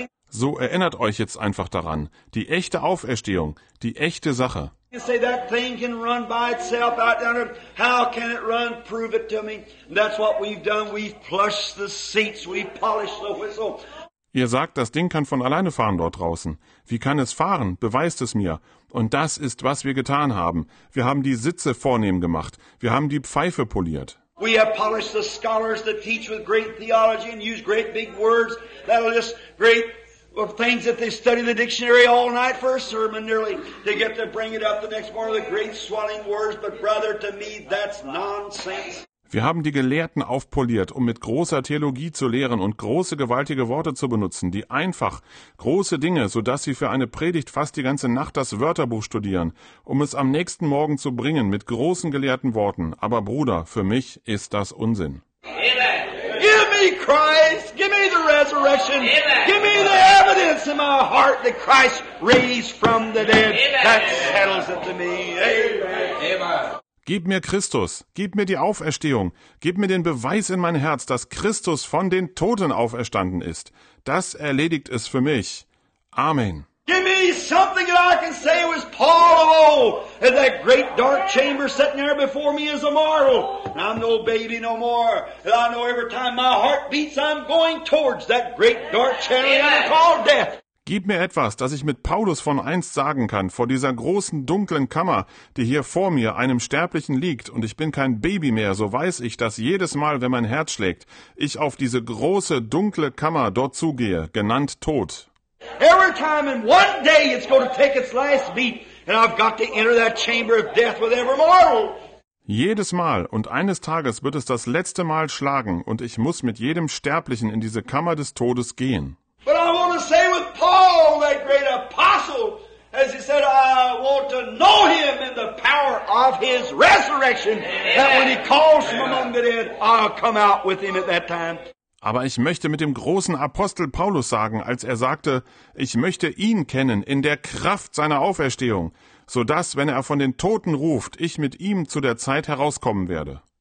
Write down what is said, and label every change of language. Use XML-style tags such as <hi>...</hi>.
<de>So erinnert euch jetzt einfach daran. Die echte Auferstehung, die echte Sache.</de> <en>You say that thing can run by itself out there. How can it run? Prove it to me. And that's what we've done. We've plushed the seats. We've polished the whistle.</en> <de>Ihr sagt, das Ding kann von alleine fahren dort draußen. Wie kann es fahren? Beweist es mir. Und das ist, was wir getan haben. Wir haben die Sitze vornehm gemacht. Wir haben die Pfeife poliert.</de> <en>We have polished the scholars that teach with great theology and use great big words. That are just great things that they study in the dictionary all night for a sermon nearly. They get to bring it up the next morning, the great swelling words. But brother, to me, that's nonsense.</en> <de>Wir haben die Gelehrten aufpoliert, um mit großer Theologie zu lehren und große, gewaltige Worte zu benutzen, die einfach große Dinge, sodass sie für eine Predigt fast die ganze Nacht das Wörterbuch studieren, um es am nächsten Morgen zu bringen mit großen, gelehrten Worten. Aber Bruder, für mich ist das Unsinn.</de> <en>Give me Christ, give me the resurrection, give me the evidence in my heart that Christ raised from the dead. That settles it to me. Amen.</en> <de>Gib mir Christus, gib mir die Auferstehung, gib mir den Beweis in mein Herz, dass Christus von den Toten auferstanden ist. Das erledigt es für mich. Amen.</de> <en>Give me something that I can say was Paul of old, and that great dark chamber sitting there before me is a marvel. I'm no baby no more, and I know every time my heart beats, I'm going towards that great dark chariot called death.</en> <de>Gib mir etwas, das ich mit Paulus von einst sagen kann, vor dieser großen dunklen Kammer, die hier vor mir einem Sterblichen liegt, und ich bin kein Baby mehr, so weiß ich, dass jedes Mal, wenn mein Herz schlägt, ich auf diese große dunkle Kammer dort zugehe, genannt Tod.</de> <en>Every time in one day it's going to take its last beat, and I've got to enter that chamber of death with every mortal.</en> <de>Jedes Mal und eines Tages wird es das letzte Mal schlagen, und ich muss mit jedem Sterblichen in diese Kammer des Todes gehen.</de> <en>But I want to say with Paul, that great apostle, as he said, I want to know him in the power of his resurrection, that when he calls from among the dead, I'll come out with him at that time.</en> <de>Aber ich möchte mit dem großen Apostel Paulus sagen, als er sagte, ich möchte ihn kennen in der Kraft seiner Auferstehung, so dass, wenn er von den Toten ruft, ich mit ihm zu der Zeit herauskommen werde.</de>